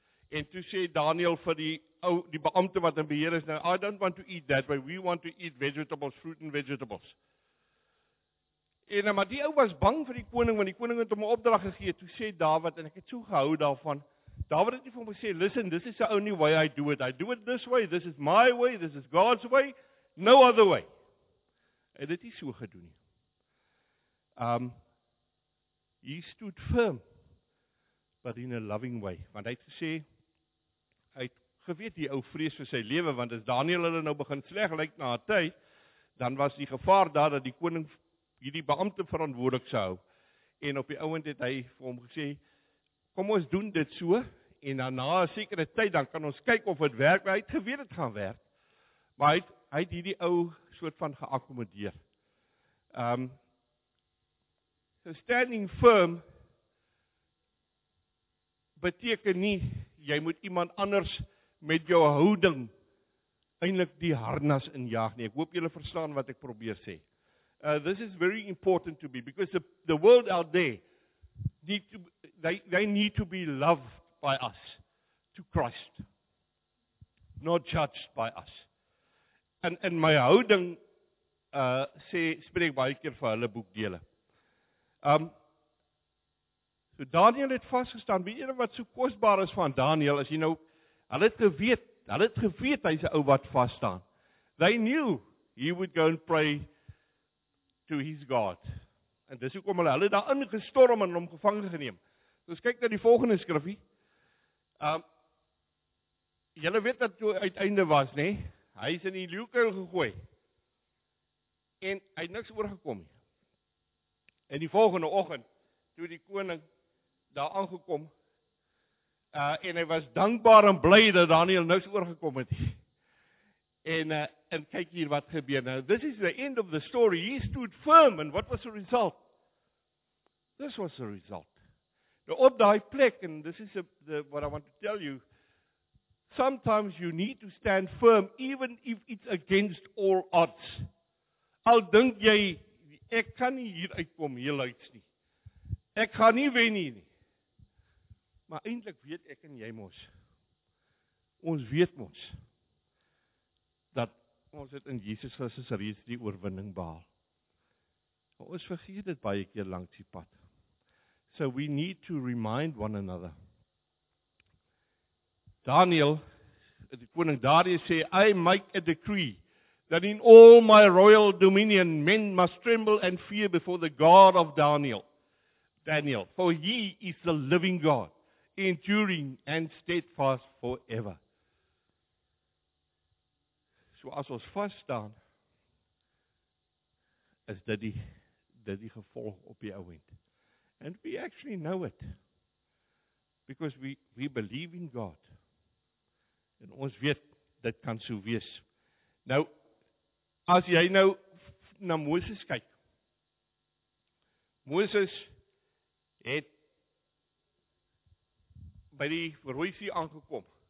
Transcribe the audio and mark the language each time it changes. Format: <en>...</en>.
<af>En toe sê Daniel vir die beampte wat in beheer is, nou,</af> <en>I don't want to eat that way. We want to eat vegetables, fruit and vegetables.</en> <af>En nou, maar die ou was bang vir die koning, want die koning het hom 'n opdrag gegee. Toe sê Dawid, en ek het so gehou daarvan, David het nie vir hom gesê,</af> <en>listen, this is the only way I do it. I do it this way, this is my way, this is God's way, no other way.</en> <af>Hy het dit nie so gedoen nie.</af> <en>He stood firm, but in a loving way.</en> <af>Want hy het gesê, hy het geweet die ou vrees vir sy lewe, want as Daniel hulle nou begin sleg lyk na haar tyd, dan was die gevaar daar dat die koning hierdie beampte verantwoordelik sou hou. En op die ouend het hy vir hom gesê, kom ons doen dit so, en dan na een sekere tyd, dan kan ons kyk of het werk, maar hy het geweet het gaan werk. Maar hy het hierdie ou soort van geakkomodeer. Standing firm beteken nie, jy moet iemand anders met jou houding eindelijk die harnas injaag nie. Ek hoop julle verstaan wat ek probeer sê.</af> <en>This is very important to me, because the world out there, they need to be loved by us, to Christ, not judged by us.</en> <af>En my houding spreek baie keer vir hulle boekdele. So Daniel het vasgestaan, weet jy wat so kostbaar is van Daniel, as jy nou, hulle het geweet, hy is een ou wat vasstaan.</af> <en>They knew he would go and pray to his God.</en> <af>En dis hoekom hulle daar ingestorm en hom gevang geneem. Ons kyk na die volgende skrifie. Julle weet dat toe uiteinde was, nee? Hy is in die leeukuil gegooi. En hy het niks oorgekom. En die volgende oggend, toe die koning daar aangekom, en hy was dankbaar en bly dat Daniel niks oorgekom het. En kyk hier wat gebeur.</af> <en>Now, this is the end of the story. He stood firm, and what was the result? This was the result. Now,</en> <af>op die plek,</af> <en>and this is what I want to tell you, sometimes you need to stand firm, even if it's against all odds.</en> <af>Al dink jy, ek kan nie hier uitkom, heel uits nie. Ek gaan nie wen hier nie. Maar eindelijk weet ek en jy mos. Ons weet mos. Dat ons het in Jesus Christus reeds die oorwinning behaal. Maar ons vergeet het baie keer langs die pad.</af> <en>So we need to remind one another. Daniel,</en> <af>die koning Darius sê,</af> <en>I make a decree that in all my royal dominion men must tremble and fear before the God of Daniel, for he is the living God, enduring and steadfast forever.</en> <af>So as ons vaststaan, is dit die gevolg op die ouend.</af> <en>And we actually know it. Because we believe in God.</en> <af>En ons weet, dit kan so wees. Nou, as jy nou na Moses kyk, Moses het by die Rooi See aangekom.</af>